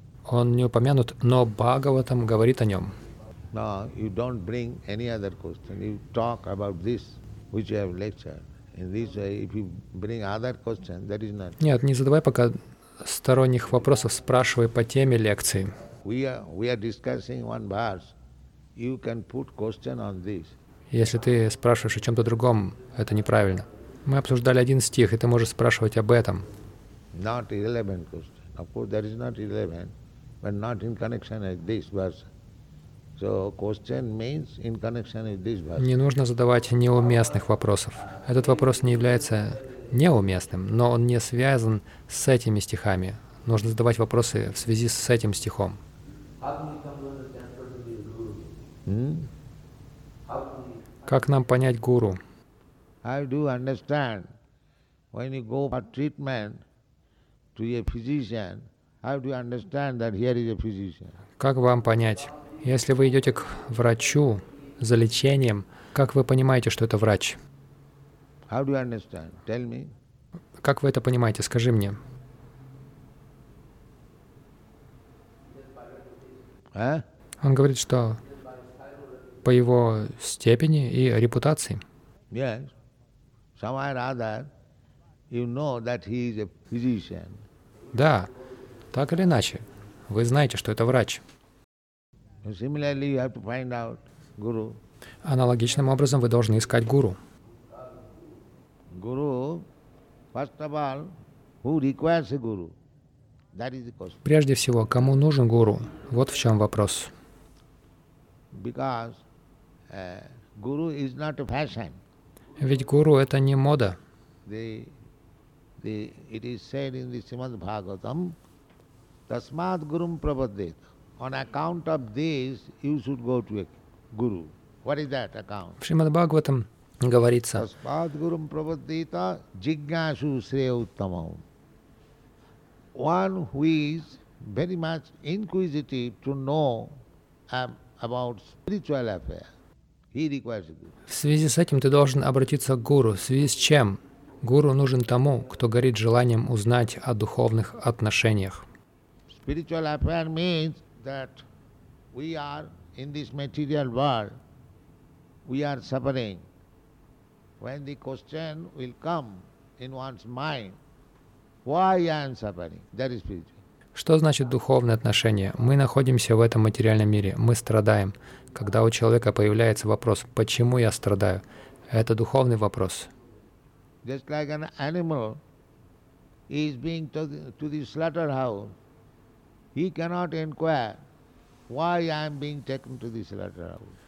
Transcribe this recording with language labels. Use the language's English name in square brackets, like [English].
[Russian] Он не упомянут, но Бхагаватам говорит о нем. [English] No, you don't bring any other question. You talk about this, which you have lectured. In this way, if you bring other question, that is not. [Russian] Нет, не задавай пока сторонних вопросов, спрашивай по теме лекции. [English] We are discussing one verse. You can put question on this. [Russian] Если ты спрашиваешь о чем-то другом, это неправильно. Мы обсуждали один стих, и ты можешь спрашивать об этом. [English] Not irrelevant question. Of course, that is not irrelevant, but not in connection with this verse. So question means in connection with this verse. [Russian] Не нужно задавать неуместных вопросов. Этот вопрос не является неуместным, но он не связан с этими стихами. Нужно задавать вопросы в связи с этим стихом. Как нам понять гуру? [English] I do understand. When you go for treatment to a physician, how do you understand that here is a physician? [Russian] Как вам понять? Если вы идете к врачу за лечением, как вы понимаете, что это врач? [English] How do you understand? Tell me. [Russian] Как вы это понимаете? Скажи мне. Он говорит, что по его степени и репутации. [English] Yes. Somewhere other, you know that he is a physician. [Russian] Да, так или иначе, вы знаете, что это врач. [English] Similarly, you have to find out guru. [Russian] Аналогичным образом вы должны искать гуру. [English] Guru, first of all, who requires a guru? That is the question. [Russian] Прежде всего, кому нужен гуру? Вот в чем вопрос. [English] Because guru is not a fashion. [Russian] Ведь гуру это не мода. [English] It is said in the Srimad Bhagavatam, [Sanskrit] Tasmad Gurum Prabhadet. [English] On account of this, you should go to a guru. What is that account? [Russian] В Шримад Бхагаватам говорится. [Sanskrit] Таспад гурум прабхадита джигнасу срея уттамам. [English] One who is very much inquisitive to know about spiritual affair, he requires a guru. [Russian] В связи с этим ты должен обратиться к гуру. В связи с чем? Гуру нужен тому, кто горит желанием узнать о духовных отношениях. [English] Spiritual affair means that we are in this material world, we are suffering. When the question will come in one's mind, why I am suffering? That is spiritual. [Russian] Что значит духовное отношение? Мы находимся в этом материальном мире, мы страдаем. Когда у человека появляется вопрос «почему я страдаю?», это духовный вопрос. [English] Just like an animal is being to the slaughterhouse, he cannot inquire why I am being taken to the slaughterhouse.